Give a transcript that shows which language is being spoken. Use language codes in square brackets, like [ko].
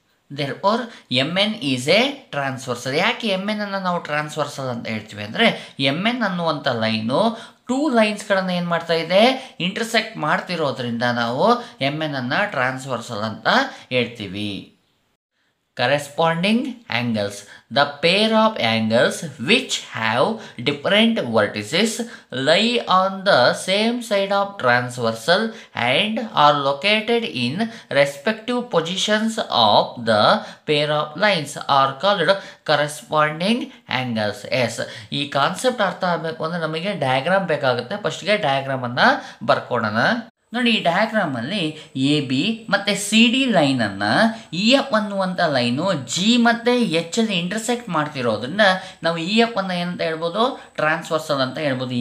[en] Therefore M N is a transversal. [kn] ಯಾಕೆ M N ಅನ್ನು ನಾವು ಟ್ರಾನ್ಸ್ವರ್ಸಲ್ ಅಂತ ಹೇಳ್ತೀವಿ ಅಂದರೆ ಎಮ್ ಎನ್ ಅನ್ನುವಂಥ ಲೈನು ಟೂ ಲೈನ್ಸ್ಗಳನ್ನು ಏನು ಮಾಡ್ತಾ ಇದೆ, ಇಂಟರ್ಸೆಕ್ಟ್ ಮಾಡ್ತಿರೋದ್ರಿಂದ ನಾವು ಎಮ್ ಎನ್ ಅನ್ನು ಟ್ರಾನ್ಸ್ವರ್ಸಲ್ ಅಂತ ಹೇಳ್ತೀವಿ. [en] Corresponding angles, the pair of angles which have different vertices lie on the same side of transversal and are located in respective positions of the pair of lines are called corresponding angles. [kn] Yes, ಈ concept ಅರ್ಥ ಆಗಬೇಕು ಅಂದರೆ ನಮಗೆ diagram ಬೇಕಾಗುತ್ತೆ. ಫಸ್ಟ್ಗೆ ಡಯಾಗ್ರಾಮನ್ನು ಬರ್ಕೊಡೋಣ. ನೋಡಿ, ಈ ಡಯಾಗ್ರಾಮಲ್ಲಿ A B ಮತ್ತು ಸಿ ಡಿ ಲೈನನ್ನು, ಇ ಎಫ್ ಅನ್ನುವಂಥ ಲೈನು ಜಿ ಮತ್ತು ಎಚ್ ಅಲ್ಲಿ ಇಂಟರ್ಸೆಕ್ಟ್ ಮಾಡ್ತಿರೋದ್ರಿಂದ ನಾವು ಇ ಎಫ್ ಅನ್ನು ಏನಂತ ಹೇಳ್ಬೋದು, ಟ್ರಾನ್ಸ್ವರ್ಸಲ್ ಅಂತ ಹೇಳ್ಬೋದು.